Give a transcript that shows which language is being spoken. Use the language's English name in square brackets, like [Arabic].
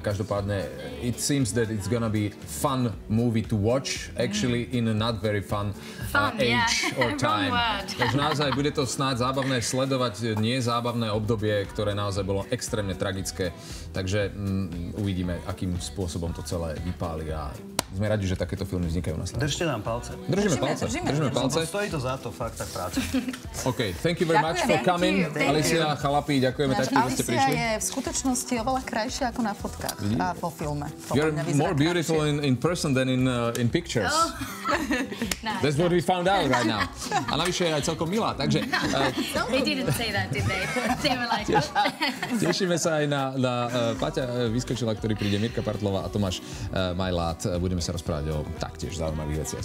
[English] Každopádne, it seems that it's gonna be fun movie to watch, actually in a not very fun, age or time. [Slovak] Takže naozaj bude to snáď zábavné sledovať nezábavné obdobie, ktoré naozaj bolo extrémne tragické. Takže uvidíme, akým spôsobom to celé vypáli a sme radi, že takéto filmy vznikajú na Slovensku. Držte nám palce. Držíme palce. Stojí to za to, fakt tak práca. [English] OK, thank you very much for coming. [Slovak] Alicia, chalapi, ďakujeme taky, že ste prišli. Alicia je v skutočnosti oveľa krajšia ako na fotkách a po filme. [English] You're more beautiful in person than in pictures. No. That's what we found out right now. [Slovak] A navyše je aj celkom milá, takže... [English] They didn't say that, did they? They were like... [Slovak] Tešíme sa aj na Paťa Vyskočila, ktorý príde, Mirka Partlová a Tomáš Majlát. Budeme sa rozprávať o taktiež zaujímavých veciach.